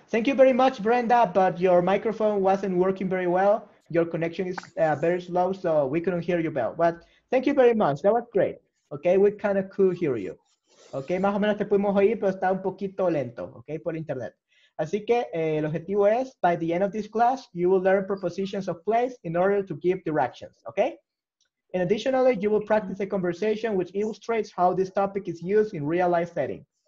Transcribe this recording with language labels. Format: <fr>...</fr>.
<en>Thank you very much, Brenda, but your microphone wasn't working very well. Your connection is very slow, so we couldn't hear you well. But thank you very much. That was great. Okay, we kind of could hear you.</en> <es>Okay, más o menos te pudimos oír, pero está un poquito lento, okay, por internet.</es> <en>Así que el objetivo es, by the end of this class, you will learn prepositions of place in order to give directions, okay? And additionally, you will practice a conversation which illustrates how this topic is used in real life settings.</en>